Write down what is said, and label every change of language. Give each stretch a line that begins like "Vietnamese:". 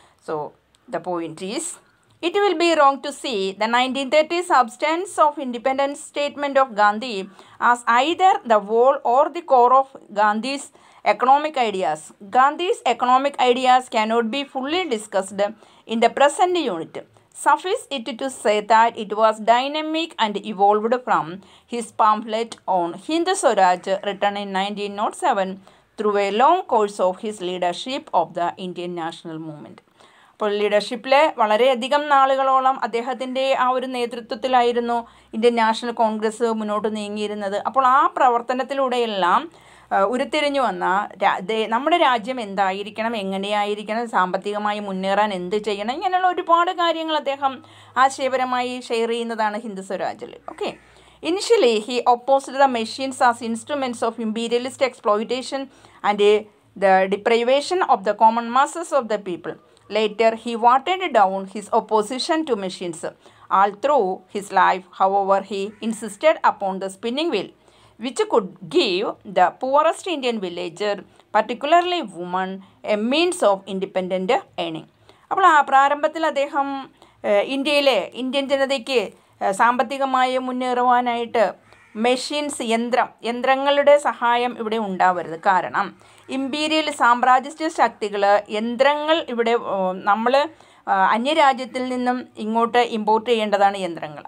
English: So the point is it will be wrong to see the 1930s substance of independence statement of Gandhi as either the whole or the core of Gandhi's economic ideas. Gandhi's economic ideas cannot be fully discussed in the present unit. Suffice it to say that it was dynamic and evolved from his pamphlet on Hindu Swaraj written in 1907 through a long course of his leadership of the Indian National Movement.
Malayalam: അപ്പോൾ ലീഡർഷിപ്പിലെ വളരെയധികം നാളുകളോളം അദ്ദേഹത്തിൻ്റെ ആ ഒരു നേതൃത്വത്തിലായിരുന്നു Indian national Congress മുന്നോട്ട് നീങ്ങിയിരുന്നത്. അപ്പോൾ ആ പ്രവർത്തനത്തിലൂടെയെല്ലാം ഉരുത്തിരിഞ്ഞു വന്ന നമ്മുടെ രാജ്യം എന്തായിരിക്കണം, എങ്ങനെയായിരിക്കണം, സാമ്പത്തികമായി മുന്നേറാൻ എന്ത് ചെയ്യണം, ഇങ്ങനെയുള്ള ഒരുപാട് കാര്യങ്ങൾ അദ്ദേഹം ആശയപരമായി ഷെയർ ചെയ്യുന്നതാണ് Hindu സ്വരാജിൽ. Okay.
English: Initially he opposed the machines as instruments of imperialist exploitation and the deprivation of the common masses of the people. Later, he watered down his opposition to machines all through his life. However, he insisted upon the spinning wheel, which could give the poorest Indian villager, particularly woman, a means of independent earning.
Malayalam: അപ്പോൾ ആ പ്രാരംഭത്തിൽ അദ്ദേഹം ഇന്ത്യയിലെ Indian ജനതയ്ക്ക് സാമ്പത്തികമായി മുന്നേറുവാനായിട്ട് machines യന്ത്രങ്ങളുടെ സഹായം ഇവിടെ ഉണ്ടാവരുത്, കാരണം ഇമ്പീരിയൽ സാമ്രാജ്യ ശക്തികൾ യന്ത്രങ്ങൾ ഇവിടെ നമ്മൾ അന്യരാജ്യത്തിൽ നിന്നും ഇങ്ങോട്ട് ഇമ്പോർട്ട് ചെയ്യേണ്ടതാണ് യന്ത്രങ്ങൾ.